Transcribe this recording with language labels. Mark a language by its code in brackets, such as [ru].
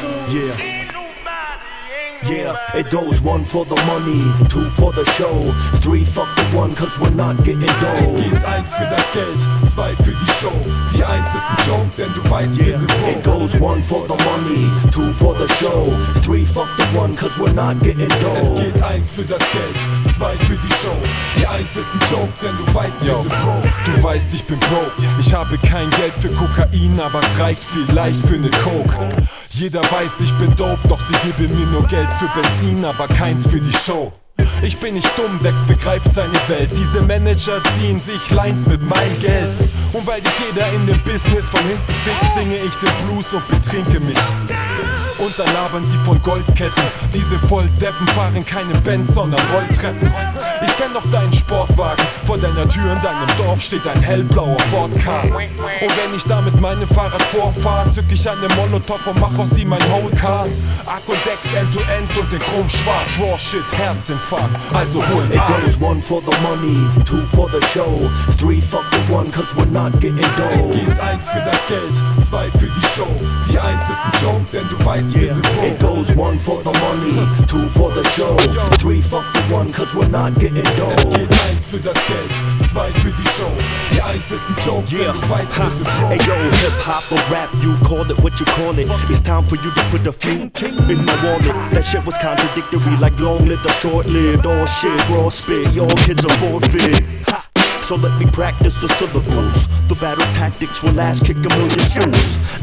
[en] Yeah. Yeah, it goes one for the money, two for the show, three fuck the one, cause we're not getting dough. [de] Es geht eins für das Geld, zwei für die Show. Die eins ist ein Joke, denn du weißt, yeah, wir sind froh. [en] It goes one for the money, two for the show, three fuck the one, cause we're not getting dough. [de] Es geht eins für das Geld, zwei für die Show. Die eins ist ein Joke, denn du weißt, yo, wir sind froh. Du weißt, ich bin broke, ich habe kein Geld für Kokain, aber es reicht vielleicht für ne Coke. Jeder weiß, ich bin dope, doch sie geben mir nur Geld für Benzin, aber keins für die Show. Ich bin nicht dumm, Dex begreift seine Welt. Diese Manager ziehen sich Lines mit meinem Geld. Und weil dich jeder in dem Business von hinten fickt, singe ich den Blues und betrinke mich. Und dann labern sie von Goldketten. Diese Volldeppen fahren keine Benz, sondern Rolltreppen. Ich kenn doch deinen Sportwagen. Vor deiner Tür in deinem Dorf steht ein hellblauer Ford Car. Und wenn ich da mit meinem Fahrrad vorfahre, zück ich eine Molotow und mach aus sie mein Whole Car. Akku Dex end to end und den Chrom schwarz. [en] Raw shit, [de] Herzinfarkt, also hol ein. [en] It goes one for the money, two for the show, three fuck the one, cause we're not getting dough. [de] Es geht eins für das Geld, zwei für die Show. Die eins ist ein Joke, denn du weißt, yeah. [en] It goes one for the money, two for the show, three fuck the one, cause we're not getting dough. [de] Es geht eins für das Geld, zwei für die Show. Die eins ist ein Joke, yeah, du weißt, ha, [en] ey yo, Hip-Hop or Rap, you call it what you call it. It's time for you to put a few in my wallet. That shit was contradictory, like long live the short lived. All shit, we're all spit, your kids are forfeit. So let me practice the syllables. The battle tactics will last kick a million fools.